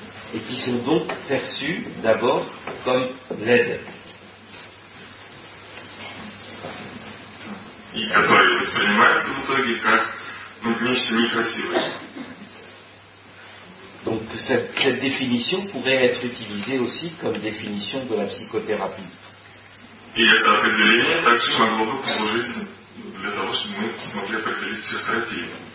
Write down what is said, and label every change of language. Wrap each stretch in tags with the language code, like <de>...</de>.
<fr>Et qui sont donc perçus d'abord comme l'aide.</fr> <ru>И которые воспринимаются в итоге как нечто некрасивое.</ru> <fr>Donc cette définition pourrait être utilisée aussi comme définition de la psychothérapie.</fr> <ru>И это определение также могло бы послужить для того, чтобы мы смогли определить психотерапию.</ru>